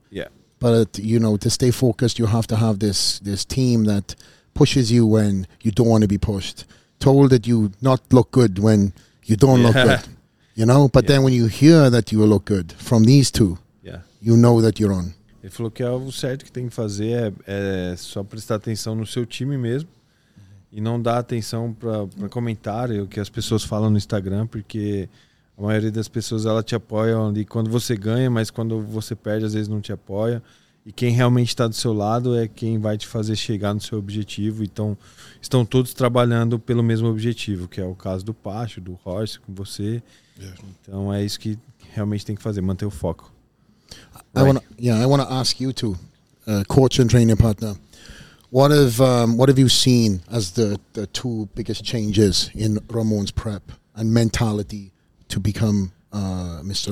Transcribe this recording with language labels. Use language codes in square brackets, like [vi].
[en] Yeah. But, you know, to stay focused, you have to have this team that pushes you when you don't want to be pushed. Told that you not look good when you don't look good. You know? But then when you hear that you look good from these two, you know that you're on. [pt] Ele falou que algo certo que tem que fazer é só prestar atenção no seu time mesmo. E não dar atenção para comentário, que as pessoas falam no Instagram, porque a maioria das pessoas ela te apoia ali quando você ganha, mas quando você perde, às vezes não te apoia. E quem realmente está do seu lado é quem vai te fazer chegar no seu objetivo. Então, estão todos trabalhando pelo mesmo objetivo, que é o caso do Pacho, do Horst, com você. Yeah. Então, é isso que realmente tem que fazer, manter o foco. [en] I want to ask you too, coach and training partner. What have you seen as the two biggest changes in Ramon's prep and mentality to become Mr.